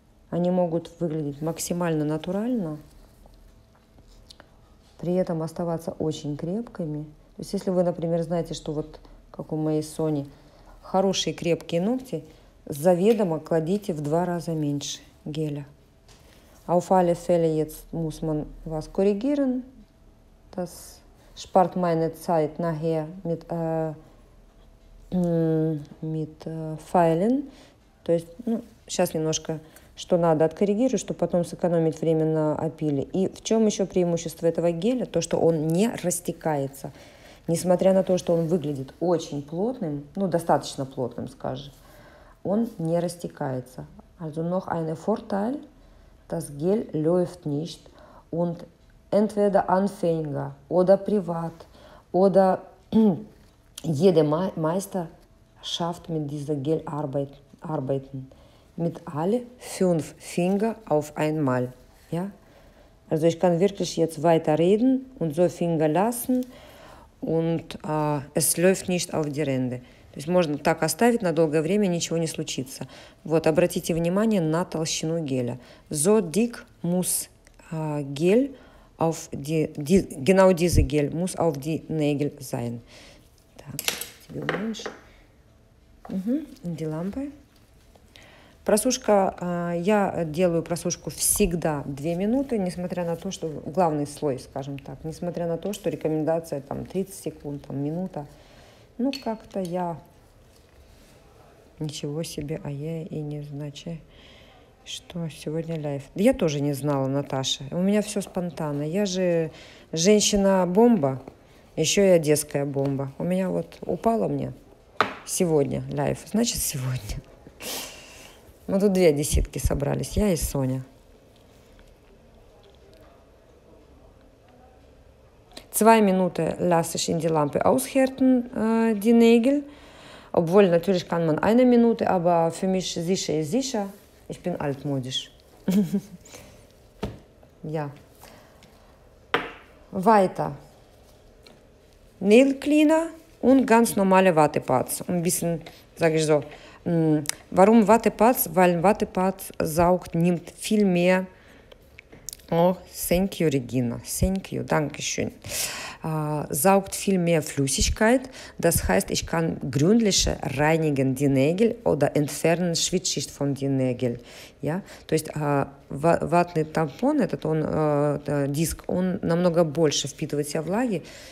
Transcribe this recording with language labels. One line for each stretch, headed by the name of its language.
Russian: Они могут выглядеть максимально натурально, при этом оставаться очень крепкими. То есть если вы, например, знаете, что вот как у моей Сони хорошие крепкие ногти, заведомо кладите в два раза меньше геля.
German: Auf alle Fälle jetzt muss man was korrigieren. Das spart meine Zeit nachher mit Feilen.
Russian: То есть, ну, сейчас немножко, что надо, откоррегирую, чтобы потом сэкономить время на опиле. И в чем еще преимущество этого геля? То, что он не растекается. несмотря на то, что он выглядит очень плотным, ну, достаточно плотным, скажем, он не растекается.
German: Also noch eine Vorteil, das Gel läuft nicht und entweder Anfänger oder Privat oder jeder Meister schafft mit dieser Gel arbeiten mit alle fünf Finger auf einmal. Ja? Also ich kann wirklich jetzt weiterreden und so Finger lassen und es läuft nicht auf die Ränder.
Russian: То есть можно так оставить, на долгое время ничего не случится. Вот, обратите внимание на толщину геля.
German: So dick muss Gel auf die, genau diese Gel muss auf die Nägel sein.
Russian: Так, тебе уменьшу.
German: Угу, die Lampe.
Russian: Просушка, я делаю просушку всегда 2 минуты, несмотря на то, что главный слой, скажем так, несмотря на то, что рекомендация там 30 секунд, там минута. Ну, как-то я... Ничего себе, а я и не значит, что сегодня лайф. Я тоже не знала, Наташа. У меня все спонтанно. Я же женщина-бомба, еще и одесская бомба. У меня вот упало мне сегодня лайф, значит, сегодня. Мы тут две одесситки собрались, я и Соня.
German: Zwei Minuten lasse ich in die Lampe aushärten, die Nägel. Obwohl, natürlich kann man eine Minute, aber für mich sicher ist sicher. Ich bin altmodisch. Ja. Weiter. Nail Cleaner und ganz normale Wattepads. Ein bisschen, sage ich so, warum Wattepads? Weil Wattepads saugt, nimmt viel mehr.
English: Oh, thank you, Regina. Thank you.
German: Dankeschön. Saugt viel mehr Flüssigkeit. Das heißt, ich kann gründlicher reinigen die Nägel oder entfernen Schwitzschicht von den Nägeln. Ja?
Russian: То есть ватный тампон, этот он, диск, он намного больше впитывает в себя влаги.